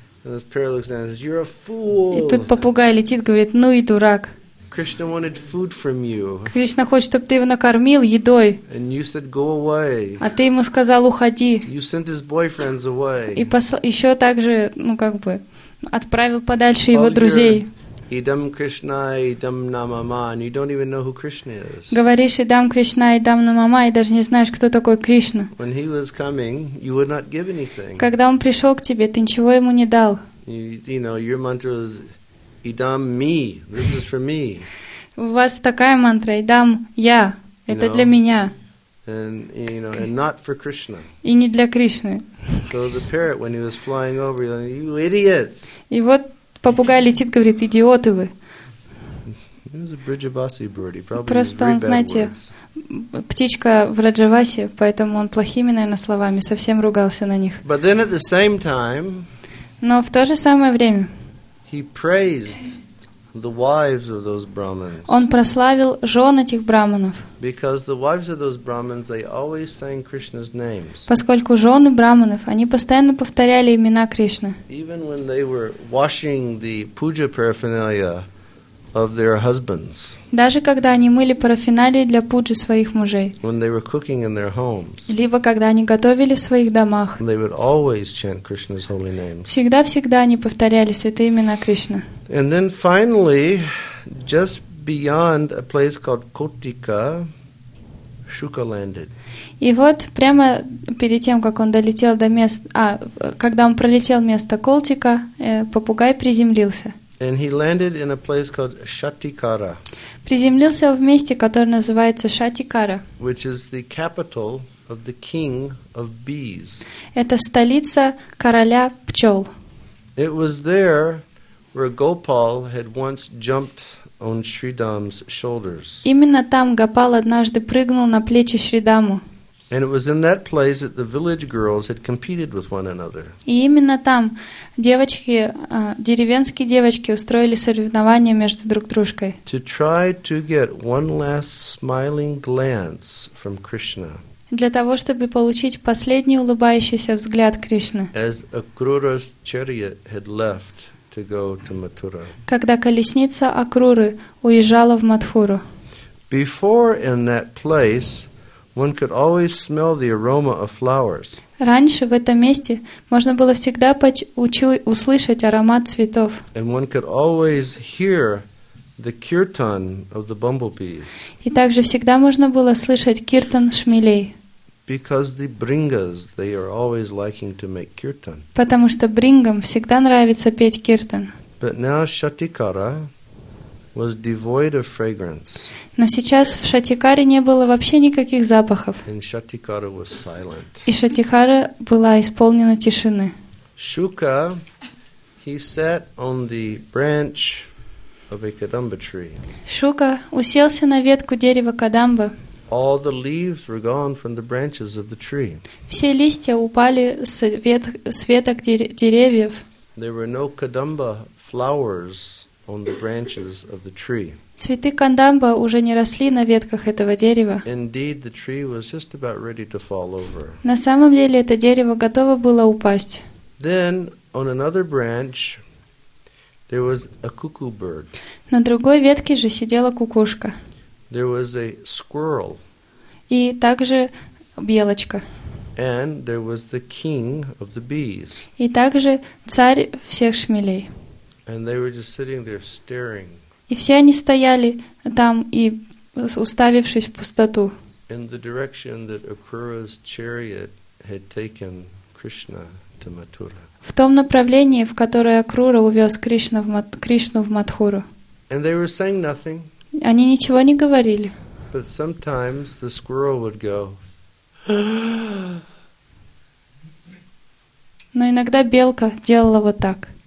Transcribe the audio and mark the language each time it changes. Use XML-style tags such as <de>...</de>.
<en>And this parrot looks down and says, "You're a fool."</en> <ru>И тут попугай летит, говорит, ну и дурак.</ru> <en>Krishna wanted food from you.</en> <ru>Кришна хочет, чтобы ты его накормил едой.</ru> <en>And you said, "Go away."</en> <ru>А ты ему сказал, уходи.</ru> <en>You sent his boyfriends away.</en> <ru>И еще также, ну как бы. Отправил подальше его друзей.</ru> <sa>Идам Кришна, идам намама,</sa> <en>and you don't even know who Krishna is.</en> <ru>Говоришь, идам Кришна, идам намама, и даже не знаешь, кто такой Кришна.</ru> <en>When he was coming, you would not give anything.</en> <ru>Когда он пришел к тебе, ты ничего ему не дал.</ru> <en>You know, your mantra is</en> <sa>идам ми,</sa> <en>this is for me.</en> <ru>У вас такая мантра, идам я, это</ru> <en>you know?</en> <ru>Для меня.</ru> <en>And you know, and not for Krishna.</en> <ru>И не для Кришны.</ru> <en>So the parrot, when he was flying over, he said, "You idiots!"</en> <ru>И вот попугай летит, говорит, идиоты вы.</ru> <en>He was a Brijavasi bird. He probably</en> <ru>просто</ru> <en>used very</en> <ru>он, знаете,</ru> <en>bad words.</en> <ru>Птичка в Раджавасе, поэтому он плохими, наверное, словами совсем ругался на них.</ru> <en>But then at the same time.</en> <ru>Но в то же самое время.</ru> <en>He praised the wives of those brahmins.</en> <ru>Он прославил жен этих брахманов.</ru> <en>Because the wives of those brahmins, they always sang Krishna's names.</en> <ru>Поскольку жены брахманов, они постоянно повторяли имена Кришны.</ru> <en>Even when they were washing the puja paraphernalia of their husbands.</en> <ru>Даже когда они мыли парафиналии для пуджи своих мужей.</ru> <en>When they were cooking in their homes.</en> <ru>Либо когда они готовили в своих домах.</ru> <en>They would always chant Krishna's holy names.</en> <ru>Всегда-всегда они повторяли святые имена Кришны.</ru> <en>And then finally, just beyond a place called Kotika, Shuka landed.</en> <ru>И вот прямо перед тем, как он долетел до места, когда он пролетел место Колтика, попугай приземлился.</ru> <en>And he landed in a place called Shatikara.</en> <ru>Приземлился в месте, которое называется Шатикара.</ru> <en>Which is the capital of the king of bees.</en> <ru>Это столица короля пчел.</ru> <en>It was there where Gopal had once jumped on Shridam's shoulders.</en> <ru>Именно там Гопал однажды прыгнул на плечи Шридаму.</ru> <en>And it was in that place that the village girls had competed with one another.</en> <ru>И именно там девочки, деревенские девочки устроили соревнования между друг дружкой.</ru> <en>To try to get one last smiling glance from Krishna.</en> <ru>Для того, чтобы получить последний улыбающийся взгляд Кришны.</ru> <en>As Akrura's chariot had left to go to Mathura.</en> <ru>Когда колесница Акруры уезжала в Матхуру.</ru> <en>Before in that place one could always smell the aroma of flowers.</en> <ru>Раньше в этом месте можно было всегда услышать аромат цветов.</ru> <en>And one could always hear the kirtan of the bumblebees.</en> <ru>И также всегда можно было слышать киртан шмелей.</ru> <en>Because the bringas, they are always liking to make kirtan.</en> <ru>Потому что брингам всегда нравится петь киртан.</ru> <en>But now Shatikara was devoid of fragrance.</en> <ru>Но сейчас в Шатикаре не было вообще никаких запахов.</ru> <en>And Shatikara was silent.</en> <ru>И Шатикара была исполнена тишины.</ru> <en>Shuka, he sat on the branch of a kadamba tree.</en> <ru>Шука уселся на ветку дерева кадамба.</ru> <en>All the leaves were gone from the branches of the tree.</en> <ru>Все листья упали с веток деревьев.</ru> <en>There were no kadamba flowers on the branches of the tree.</en> <ru>Цветы кандамба уже не росли на ветках этого дерева.</ru> <en>Indeed, the tree was just about ready to fall over.</en> <ru>На самом деле это дерево готово было упасть.</ru> <en>Then on another branch there was a cuckoo bird.</en> <ru>На другой ветке же сидела кукушка.</ru> <en>There was a squirrel.</en> <ru>И также белочка.</ru> <en>And there was the king of the bees.</en> <ru>И также царь всех шмелей.</ru> <en>And they were just sitting there staring.</en> <ru>И все они стояли там и уставившись в пустоту.</ru> <en>In the direction that Akura's chariot had taken Krishna to Mathura.</en> <ru>В том направлении, в которое Акрура увез Кришну в Матхуру.</ru> <en>And they were saying nothing.</en> <ru>Они ничего не говорили.</ru> <en>But sometimes the squirrel would go.</en> <ru>Но иногда белка делала вот так.</ru>